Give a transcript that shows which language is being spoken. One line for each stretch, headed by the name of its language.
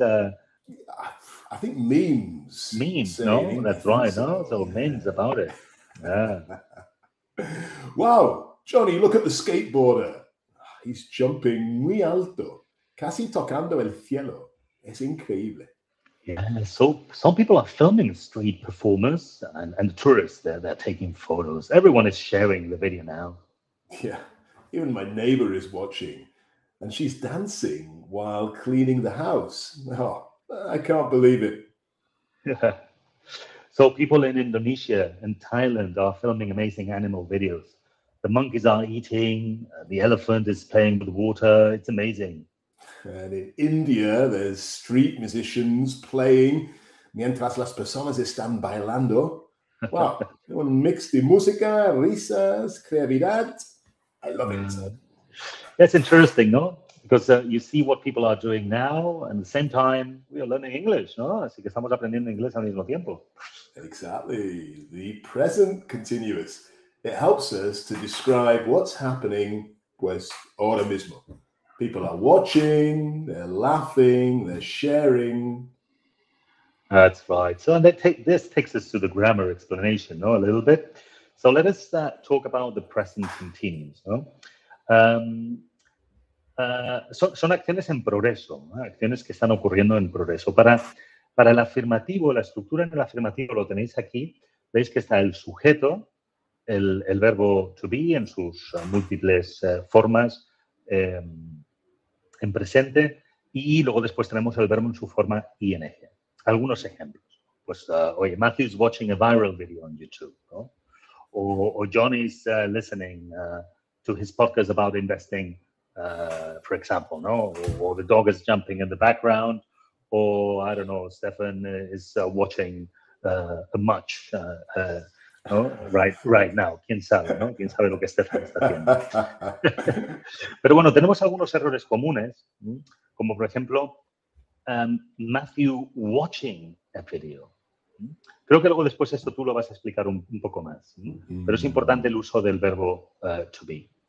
English: I think memes. Memes, no? That's right, no? So memes about it. Yeah. Wow, Johnny, look at the skateboarder. He's jumping
Spanish: muy alto, casi tocando el cielo. Es increíble.
English: Yeah, so some people are filming street performers and tourists. They're taking photos. Everyone is sharing the video now. Yeah, even my neighbor is watching, and she's dancing while cleaning the house. Oh, I can't believe it. Yeah. So people in Indonesia and Thailand are filming amazing animal videos. The monkeys are eating, the elephant is playing with water. It's amazing. And in India, there's street musicians playing
Spanish: mientras las personas están bailando.
English: Wow, they want to mix the
Spanish: música, risas, creatividad.
English: I love it. That's interesting, no? Because you see what people are doing now, and at the same time, we are learning English, no?
Spanish: Así que estamos aprendiendo inglés al mismo tiempo.
English: Exactly. The present continuous. It helps us to describe what's happening
Spanish: pues ahora mismo.
English: People are watching, they're laughing, they're sharing. That's right. So and this takes us to the grammar explanation, no? A little bit. So let us talk about the present continuous, no?
Spanish: Son acciones en progreso, ¿no? Acciones que están ocurriendo en progreso. Para el afirmativo, la estructura en el afirmativo lo tenéis aquí. Veis que está el sujeto, el verbo to be en sus múltiples formas en presente y luego después tenemos el verbo en su forma ing. Algunos ejemplos. Pues, oye,
English: Matthew is watching a viral video on YouTube, ¿no? O John is listening to his podcast about investing. For example, no, or the dog is jumping in the background, or I don't know, Stefan is watching a match no? right now.
Spanish: Quién sabe, no? Quién sabe lo que Stefan está haciendo. Pero bueno, tenemos algunos errores comunes, como por ejemplo,
English: Matthew watching a video.
Spanish: Creo que luego después esto tú lo vas a explicar un poco más, pero es importante el uso del verbo to be.